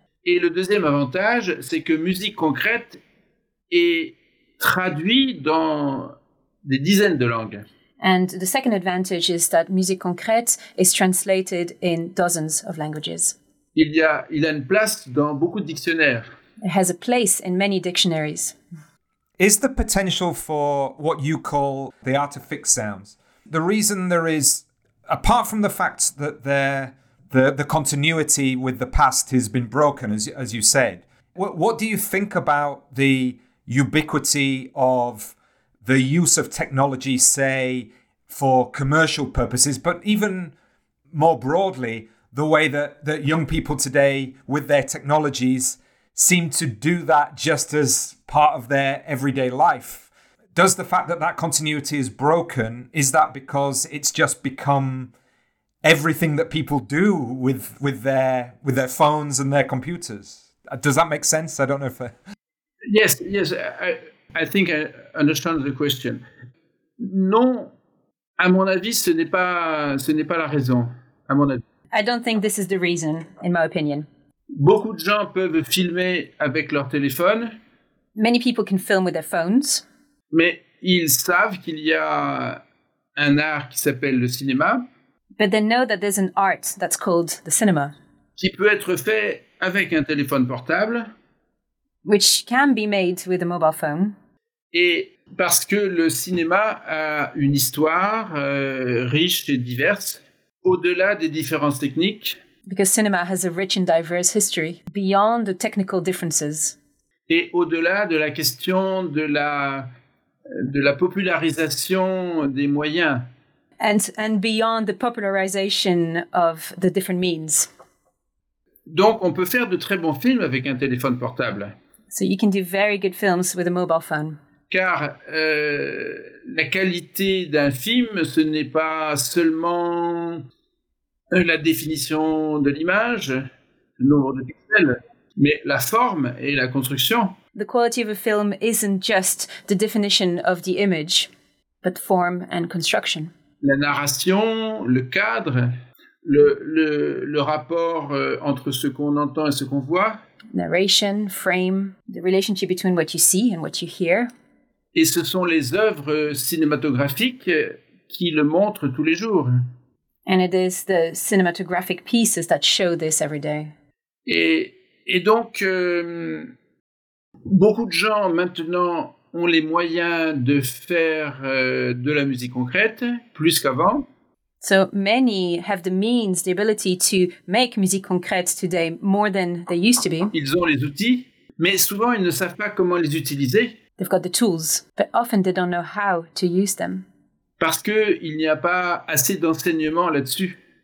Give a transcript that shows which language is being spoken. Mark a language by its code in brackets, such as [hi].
[fr] Et le deuxième avantage, c'est que musique concrète est traduit dans des dizaines de langues. [en] And the second advantage is that musique concrète is translated in dozens of languages. [fr] Il a une place dans beaucoup de dictionnaires. [en] It has a place in many dictionaries. Is the potential for what you call the art of fixed sounds? The reason there is, apart from the fact that the continuity with the past has been broken, as you said, what do you think about the ubiquity of the use of technology, say, for commercial purposes, but even more broadly, the way that young people today with their technologies seem to do that just as part of their everyday life? Does the fact that continuity is broken, is that because it's just become everything that people do with their phones and their computers? Does that make sense? I don't know if... Yes. I think I understand the question. [fr] Non, à mon avis, ce n'est pas la raison, à mon avis. [en] I don't think this is the reason, in my opinion. [fr] Beaucoup de gens peuvent filmer avec leur téléphone. [en] Many people can film with their phones. [fr] Mais ils savent qu'il y a un art qui s'appelle le cinéma. [en] But they know that there's an art that's called the cinema. [fr] Qui peut être fait avec un téléphone portable. [en] Which can be made with a mobile phone. [fr] Et parce que le cinéma a une histoire riche et diverse, au-delà des différences techniques. [en] Because cinema has a rich and diverse history, beyond the technical differences. [fr] Et au-delà de la question de la popularisation des moyens. [en] And beyond the popularization of the different means. [fr] Donc on peut faire de très bons films avec un téléphone portable. [en] So you can do very good films with a mobile phone. [fr] Car la qualité d'un film, ce n'est pas seulement la définition de l'image, le nombre de pixels, mais la forme et la construction. [en] The quality of a film isn't just the definition of the image, but form and construction. [fr] la narration, le cadre, le rapport entre ce qu'on entend et ce qu'on voit. [en] Narration, frame, the relationship between what you see and what you hear. [fr] Et ce sont les œuvres cinématographiques qui le montrent tous les jours. [en] And it is the cinematographic pieces that show this every day. [fr] Et donc, beaucoup de gens maintenant ont les moyens de faire de la musique concrète, plus qu'avant. [en] So many have the means, the ability to make musique concrète today more than they used to be. [fr] Ils ont les outils, mais souvent ils ne savent pas comment les utiliser. [en] They've got the tools, but often they don't know how to use them. [fr] Parce qu'il n'y a pas assez d'enseignement là-dessus.